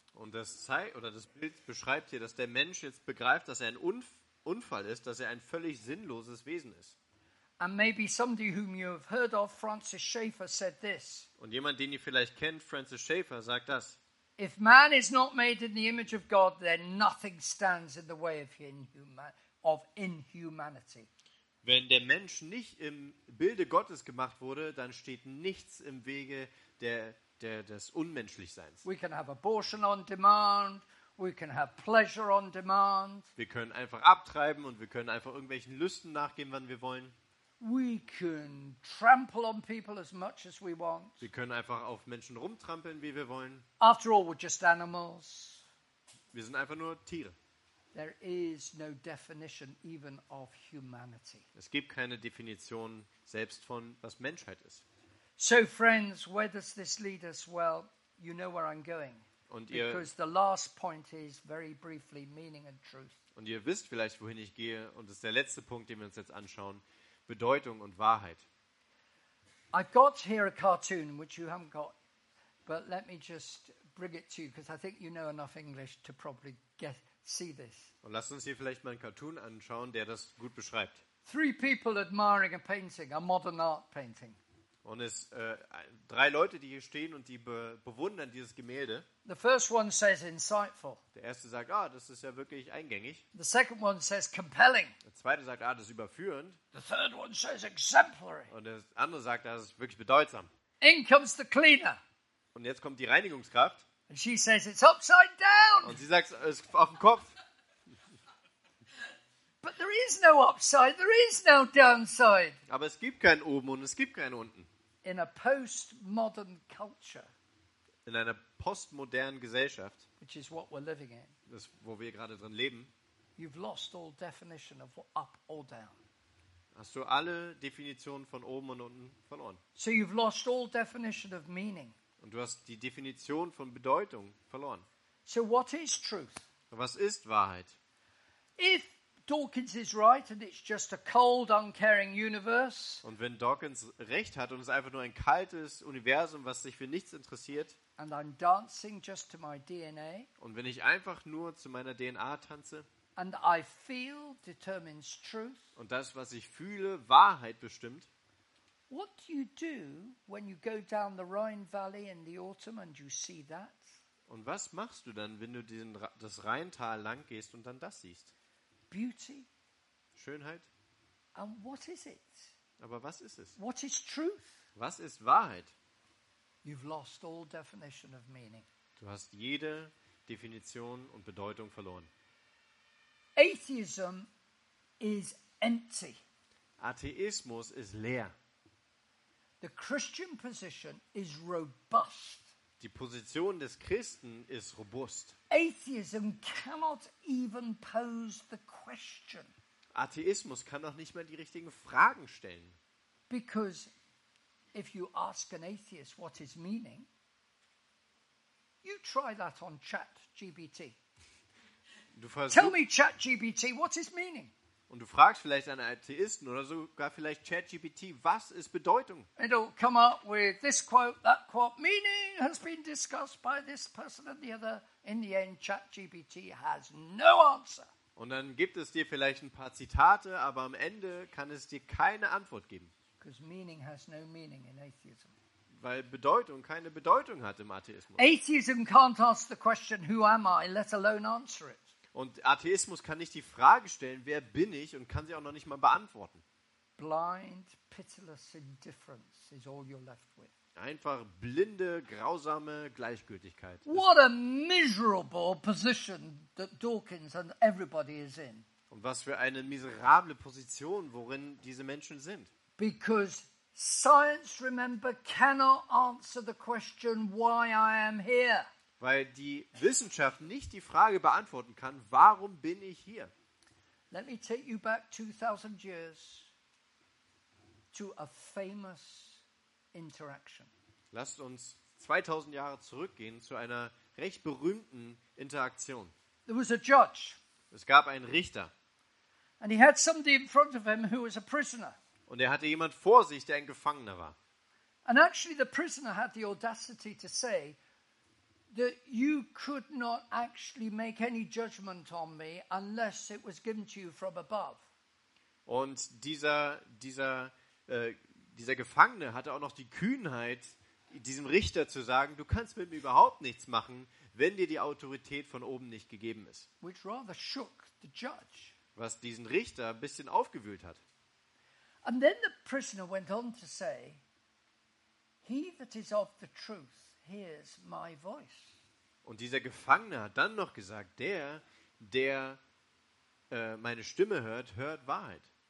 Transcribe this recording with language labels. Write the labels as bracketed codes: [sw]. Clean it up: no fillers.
[de] Und das Bild beschreibt hier, dass der Mensch jetzt begreift, dass er ein Unfall ist, dass er ein völlig sinnloses Wesen ist. [en] And maybe somebody whom you have heard of, Francis Schaeffer, said this. [de] Und jemand, den ihr vielleicht kennt, Francis Schaeffer, sagt das. [en] If man is not made in the image of God, then nothing stands in the way of humanity. Of inhumanity. [de] Wenn der Mensch nicht im Bilde Gottes gemacht wurde, dann steht nichts im Wege des Unmenschlichseins. [en] We can have abortion on demand, we can have pleasure on demand. [de] Wir können einfach abtreiben und wir können einfach irgendwelchen Lüsten nachgehen, wann wir wollen. [en] We can trample on people as much as we want. [de] Wir können einfach auf Menschen rumtrampeln, wie wir wollen. [en] After all, we're just animals. [de] Wir sind einfach nur Tiere. [en] There is no definition even of humanity. [de] Es gibt keine Definition selbst von was Menschheit ist. [en] So friends, where does this lead us? Well, you know where I'm going. [de] Und ihr, [en] because the last point is very briefly meaning and truth. [de] und ihr wisst vielleicht, wohin ich gehe, und das ist der letzte Punkt, den wir uns jetzt anschauen, Bedeutung und Wahrheit. [en] I've got here a cartoon, which you haven't got, but let me just bring it to you, because I think you know enough English to probably get see this. [de] Und lasst uns hier vielleicht mal einen Cartoon anschauen, der das gut beschreibt. [en] Three people admiring a painting, a modern art painting. [de] Und es drei Leute, die hier stehen und die bewundern dieses Gemälde. [en] The first one says insightful. [de] Der erste sagt, ah, das ist ja wirklich eingängig. [en] The second one says compelling. [de] Der zweite sagt, ah, das ist überführend. [en] The third one says exemplary. [de] Und der andere sagt, das ist wirklich bedeutsam. [en] In comes the cleaner. [de] Und jetzt kommt die Reinigungskraft. [en] And she says it's upside down. [de] Und sie sagt, es ist auf dem Kopf. [en] But there is no upside, there is no downside. [de] Aber es gibt kein oben und es gibt kein unten. [en] In a postmodern culture. [de] In einer postmodernen Gesellschaft. [en] Which is what we're living in. [de] Das, wo wir gerade drin leben. [en] You've lost all definition of up or down. [de] Hast du alle Definitionen von oben und unten verloren? [en] So you've lost all definition of meaning. [de] Und du hast die Definition von Bedeutung verloren. [en] So what is truth? [de] Was ist Wahrheit? [en] If Dawkins is right and it's just a cold, uncaring universe. [de] Und wenn Dawkins recht hat und es einfach nur ein kaltes Universum, was sich für nichts interessiert. [en] And I'm dancing just to my DNA. [de] Und wenn ich einfach nur zu meiner DNA tanze. [en] And I feel determines truth. [de] Und das, was ich fühle, Wahrheit bestimmt. [en] What do you do when you go down the Rhine Valley in the autumn and you see that? [de] Und was machst du dann, wenn du das Rheintal lang gehst und dann das siehst? [en] Beauty. [de] Schönheit. [en] And what is it? [de] Aber was ist es? [en] What is truth? [de] Was ist Wahrheit? [en] You've lost all definition of meaning. [de] Du hast jede Definition und Bedeutung verloren. [en] Atheism is empty. [de] Atheismus ist leer. [en] The Christian position is robust. [de] Die Position des Christen ist robust. [en] Atheism cannot even pose the question. [de] Atheismus kann auch nicht mehr die richtigen Fragen stellen. [en] Because if you ask an atheist what is meaning, you try that on ChatGPT. Tell me ChatGPT, what is meaning? [de] Und du fragst vielleicht einen Atheisten oder sogar vielleicht ChatGPT, was ist Bedeutung? [en] It'll come up with this quote, that quote. Meaning has been discussed by this person and the other. In the end, ChatGPT has no answer. [de] Und dann gibt es dir vielleicht ein paar Zitate, aber am Ende kann es dir keine Antwort geben. [en] Because meaning has no meaning in atheism. [de] Weil Bedeutung keine Bedeutung hat im Atheismus. [en] Atheism can't ask the question, who am I, let alone answer it. [de] Und Atheismus kann nicht die Frage stellen, wer bin ich, und kann sie auch noch nicht mal beantworten. [en] Blind, pitiless indifference is all you're left with. [de] Einfach blinde, grausame Gleichgültigkeit. [en] What a miserable position that Dawkins and everybody is in. [de] Und was für eine miserable Position, worin diese Menschen sind. [en] Because science, remember, cannot answer the question why I am here. [de] Weil die Wissenschaft nicht die Frage beantworten kann, warum bin ich hier? [en] Let me take you back 2000 years to a famous interaction. [de] Lasst uns 2000 Jahre zurückgehen zu einer recht berühmten Interaktion. [en] There was a judge. [de] Es gab einen Richter. [en] And he had somebody in front of him who was a prisoner. [de] Und er hatte jemand vor sich, der ein Gefangener war. [en] And actually the prisoner had the audacity to say that you could not actually make any judgment on me unless it was given to you from above. [de] Und dieser Gefangene hatte auch noch die Kühnheit, diesem Richter zu sagen, du kannst mit mir überhaupt nichts machen, wenn dir die Autorität von oben nicht gegeben ist. [en] Which rather shook the judge. [de] Was diesen Richter ein bisschen aufgewühlt hat. [en] And then the prisoner went on to say, he that is of the truth hears my voice. [de] Und dieser Gefangene hat dann noch gesagt, der meine Stimme hört, hört Wahrheit.